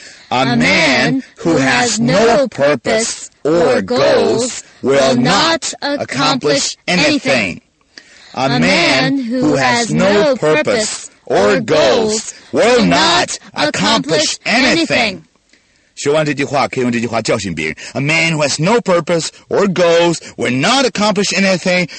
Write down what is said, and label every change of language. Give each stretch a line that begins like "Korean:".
English: A man who has no purpose or goals will not accomplish anything. A man who has no purpose or goals will not accomplish anything.
Chinese: 学完这句话可以用这句话教训别人。
English: A man who has no purpose or goals will not accomplish anything.